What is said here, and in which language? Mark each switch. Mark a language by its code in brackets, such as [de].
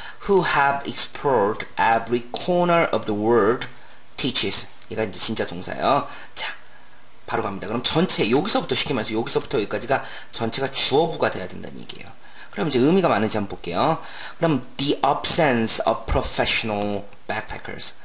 [en] Who have explored every corner of the world teaches. [ko] 얘가 이제 진짜 동사예요. 자, 바로 갑니다. 그럼 전체, 여기서부터 쉽게 말해서 여기서부터 여기까지가 전체가 주어부가 돼야 된다는 얘기예요. 그럼 이제 의미가 많은지 한번 볼게요. [en] 그럼 the absence of professional backpackers.